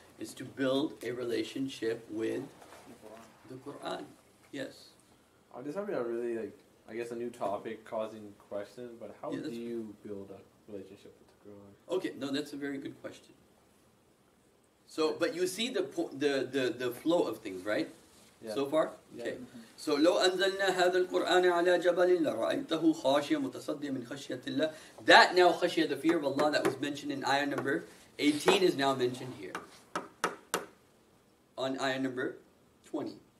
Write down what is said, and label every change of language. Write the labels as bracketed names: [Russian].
[English] is to build a relationship with the Quran. Yes. This might be a really, a new topic causing questions, but how do you build a relationship with the Quran? Okay, no, that's a very good question. So, but you see the flow of things, right? Yeah. So far? Okay. Yeah. [Arabic] So, لو أنزلنا هذا القرآن على جبل لرأيته خاشيا متصديا من خشية الله. [English] That now, خشية, the fear of Allah, that was mentioned in ayah number 18 is now mentioned here. On ayah number 20.